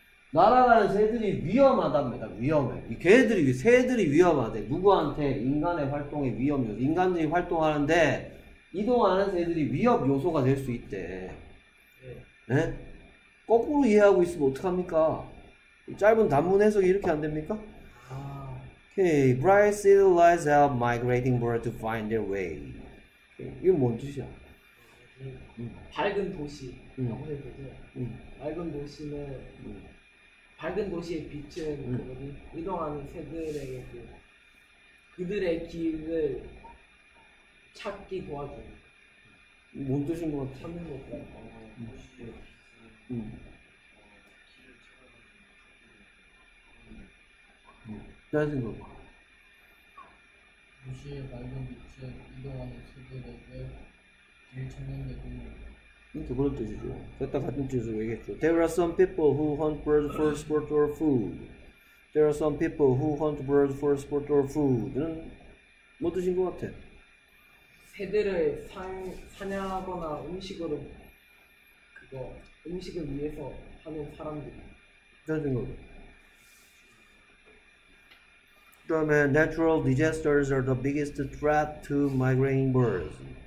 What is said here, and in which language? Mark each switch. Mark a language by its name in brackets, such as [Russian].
[Korean] 날아가는 새들이 위험하답니다. 위험해. 이 개들이, 새들이 위험하대. 누구한테? 인간의 활동에 위험 요소. 인간들이 활동하는데, 이동하는 새들이 위협 요소가 될수 있대. 예? 거꾸로 이해하고 있으면 어떡합니까? 짧은 단문 해석이 이렇게 안 됩니까? [English] Okay. Bright cities light up migrating birds to find their way. [Korean] 이건 뭔 뜻이야? 밝은 도시라고 해도 돼요. 밝은 도시는 밝은 도시의 빛은 이동하는 새들에게 그들의 길을 찾기 도와줘요. 뭔 뜻인 것 같아? 찾는 것 같아요. 다시 한번 봐. 도시의 밝은 빛은 이동하는 새들에게 길을 찾는 데 도움이 됩니다. 그런 뜻이죠. 됐다 같은 뜻으로 얘기했죠. [English] There are some people who hunt birds for sport or food. There are some people who hunt birds for sport or food.는 [Korean] 뭐 뜻인 것 같아? 새들을 사냥하거나 음식으로 그거 음식을 위해서 하는 사람들이. 그런 생각. 그다음에 [English] natural disasters are the biggest threat to migrating birds.